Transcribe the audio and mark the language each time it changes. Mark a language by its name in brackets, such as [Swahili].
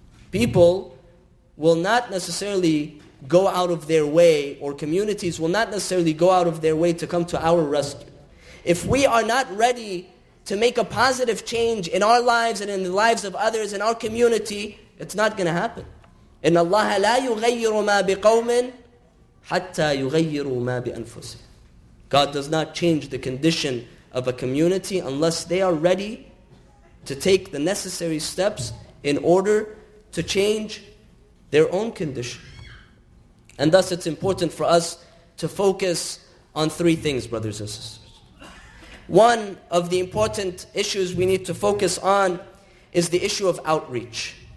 [English] People will not necessarily go out of their way, or communities will not necessarily go out of their way to come to our rescue. If we are not ready to make a positive change in our lives and in the lives of others in our community, it's not going to happen. [Arabic] إن الله لا يغير ما بقوم حتى يغيروا ما بأنفسهم. [English] God does not change the condition of a community unless they are ready to take the necessary steps in order to change their own condition. And thus it's important for us to focus on three things, brothers and sisters. One of the important issues we need to focus on is the issue of outreach.